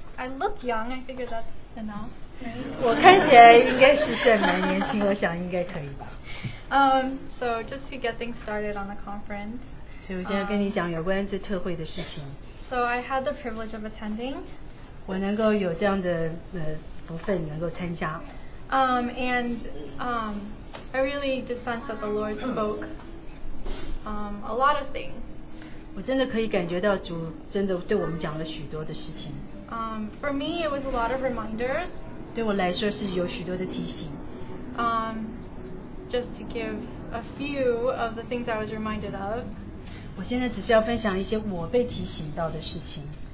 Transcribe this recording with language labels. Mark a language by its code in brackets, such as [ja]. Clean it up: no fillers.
[en] look young, I figure that's enough. [zh] 我看起来应该是算蛮年轻，我想应该可以吧。 [en] So just to get things started on the conference. [zh] 所以我现在跟你讲有关这特会的事情。 [en] So I had the privilege of attending. [zh] 我能够有这样的福分能够参加。 [en] I really did sense that the Lord spoke a lot of things. [zh] 我真的可以感觉到主真的对我们讲了许多的事情。 [en] For me, it was a lot of reminders. [zh] 对我来说是有许多的提醒。 [en] Just to give a few of the things I was reminded of. [zh] 我现在只是要分享一些我被提醒到的事情。